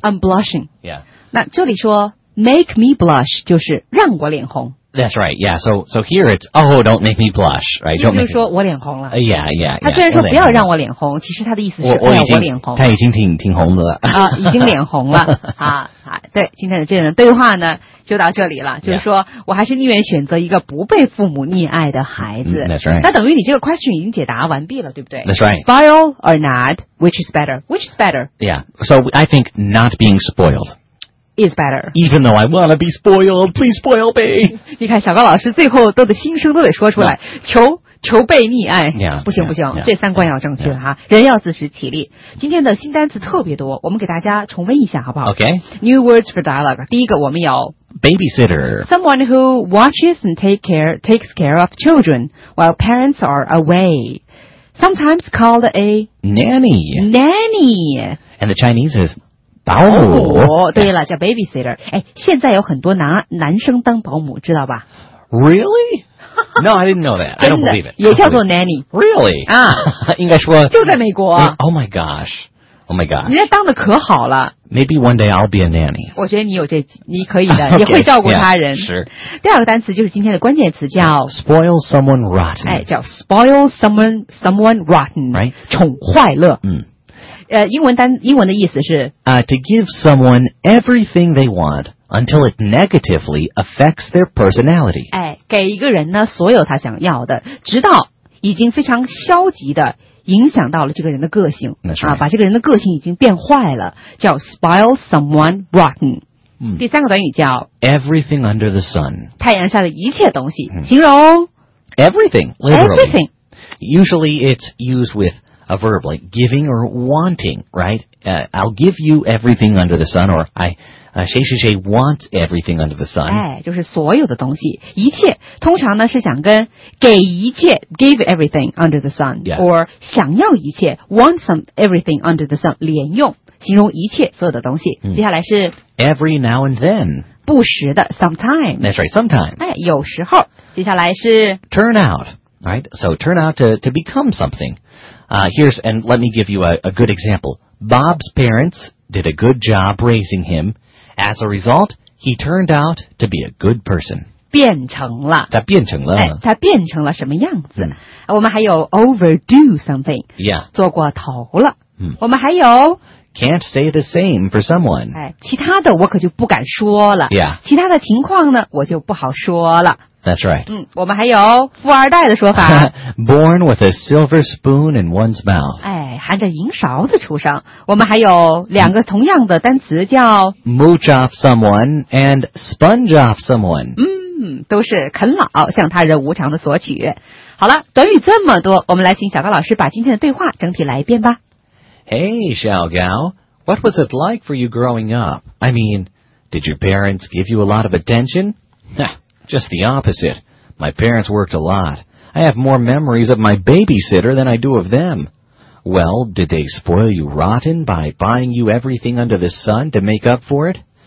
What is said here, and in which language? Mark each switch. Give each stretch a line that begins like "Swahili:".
English: I'm blushing. Yeah.
Chinese: 那这里说
English: make me blush
Chinese: 就是让我脸红。
English: That's right. Yeah. So here it's oh, don't make me blush. Right.
Chinese: 意思就是说我脸红了。
English: Yeah.
Chinese: 他虽然说不要让我脸红，其实他的意思是让我脸红了。他已经挺红的了。啊，已经脸红了。好，对，今天的这个对话呢，就到这里了。就是说、
English: yeah.
Chinese: 我还是宁愿选择一个不被父母溺爱的孩子。
English: That's right.
Chinese: 那等于你这个 question 已经解答完毕了，对不对
English: ？That's right. Spoil or not, which is better? Yeah. So I think not being spoiled. Is better. Even though I want to be spoiled, please spoil me.
Chinese: 你看，小高老师最后都的心声都得说出来，
English: no.
Chinese: 求被溺爱。
English: Yeah,
Chinese: 不行不行，
English: yeah,
Chinese: 这三观要正确哈、
English: yeah, yeah.
Chinese: 啊。人要自食其力。今天的新单词特别多，我们给大家重温一下好不好
English: ？Okay. New words for dialogue.
Chinese: 第一个，我们有
English: babysitter. Someone who watches and takes care of children while parents are away. Sometimes called a nanny. Nanny. And the Chinese is.
Chinese: 保姆、哦、对了叫 babysitter 哎，现在有很多男生当保姆知道吧
English: Really? No, I didn't know that. I don't believe it.
Chinese: 也叫做 nanny
English: Really?
Chinese: 啊，应该说就在美国
English: Oh my gosh
Chinese: 人家当的可好了
English: Maybe one day I'll be a nanny
Chinese: 我觉得你有这你可以的也会照顾他人
English: yeah, 是
Chinese: 第二个单词就是今天的关键词叫
English: Spoil someone rotten
Chinese: 哎，叫
English: spoil someone rotten Right
Chinese: 宠坏乐嗯英文的意思是
English: To give someone everything they want until it negatively affects their personality.
Chinese: 哎，给一个人呢所有他想要的，直到已经非常消极的影响到了这个人的个性、
English: right.
Chinese: 啊，把这个人的个性已经变坏了，叫
English: spoil someone rotten。
Chinese: 第三个短语叫
English: everything under the sun，
Chinese: 太阳下的一切东西，形容
English: everything literally. Everything. Usually it's used with. A verb like giving or wanting, right? I'll give you everything under the sun, or she wants everything under the sun.
Chinese: 哎，就是所有的东西，一切。通常呢是想跟给一切
English: give everything under the sun,、 yeah.
Chinese: or 想要一切
English: want some everything under the sun
Chinese: 连用。形容一切所有的东西。接下来是
English: every now and then，
Chinese: 不时的 sometimes。
English: That's right， sometimes。
Chinese: 哎，有时候。接下来是
English: turn out， right？ So turn out to become something。 Here's and let me give you a good example. Bob's parents did a good job raising him. As a result, he turned out to be a good person.
Chinese: 变成了。他变成了。哎，他变成了什么样子？我们还有
English: overdue something。 Yeah。
Chinese: 做过头了。我们还有。
English: Can't say the same for someone.
Chinese: 哎，其他的我可就不敢说了。
English: Yeah.
Chinese: 其他的情况呢，我就不好说了。
English: That's right.
Chinese: 我们还有富二代的说法。
English: Born with a silver spoon in one's mouth.
Chinese: 哎，含着银勺子出生。我们还有两个同样的单词叫
English: mooch off someone and sponge off someone.
Chinese: 都是啃老向他人无偿的索取。好了，短语这么多，我们来请小高老师把今天的对话整体来一遍吧。
English: Hey, Xiao Gao, what was it like for you growing up? I mean, did your parents give you a lot of attention? Just the opposite. My parents worked a lot. I have more memories of my babysitter than I do of them. Well, did they spoil you rotten by buying you everything under the sun to make up for it?